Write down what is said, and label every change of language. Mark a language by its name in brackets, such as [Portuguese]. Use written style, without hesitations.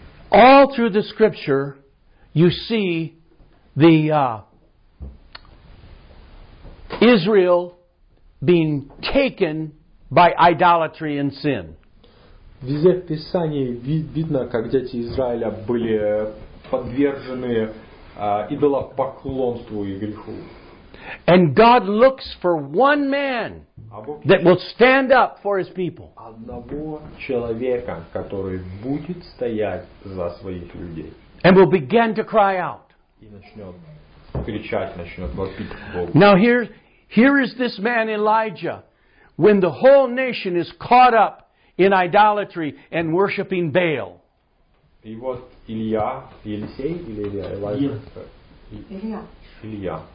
[English] All through the scripture, you see the Israel being taken by idolatry and sin. [Russian] Везде в Писании видно, как дети Израиля были подвержены идолопоклонству и греху. [English] And God looks for one man that will stand up for his people. [Russian] Одного человека, который будет стоять за своих людей. [English] And will begin to cry out. [Russian] И начнет кричать, начнет вопить к Богу. [English] Now here is this man Elijah, when the whole nation is caught up in idolatry and worshiping Baal. [Russian] И вот Илья, Елисей или Илья? Илья.